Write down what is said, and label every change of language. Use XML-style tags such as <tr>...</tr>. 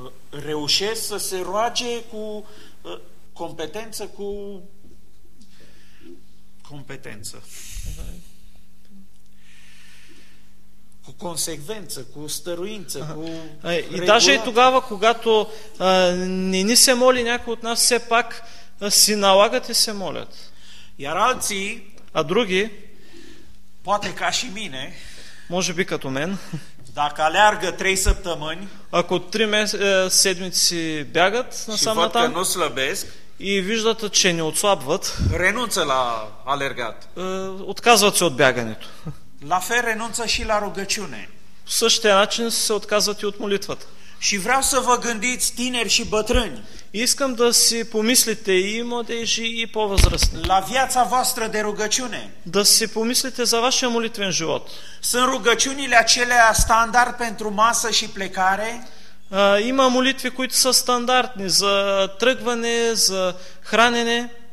<ro>reușesc să se roage cu competență cu competență. Cu consecvență, cu stăruință, cu</ro> <bg>и даже и тогава, когато не се моли някой от нас, все пак си налагат и се молят.</bg> <ro>Iar alții,</ro> <bg>а други,</bg> <ro>poate ca și mine,</ro> <bg>може би като мен,</bg> <ro>dacă aleargă 3 săptămâni,</ro> <bg>ако 3 седмици бягат на самата,</bg> <ro>și văd că nu slăbesc,</ro> <bg>и виждат, че не отслабват,</bg> <ro>renunță la alergat.</ro> <bg>Отказват се от бягането.</bg> <ro>La fel renunță și la rugăciune.</ro> <bg>В същия начин се отказват и от молитвата.</bg> <ro>Și vreau să vă gândiți tineri și bătrâni.</ro> <bg>Искам да си помислите и младежи и по-възрастни.</bg> <ro>La viața voastră de rugăciune.</ro> <bg>Да си помислите за вашия молитвен живот.</bg> <ro>Sunt rugăciunile acelea standard pentru masă și plecare?</ro> <bg>Има молитви, които са стандартни за тръгване, за хранене.</bg>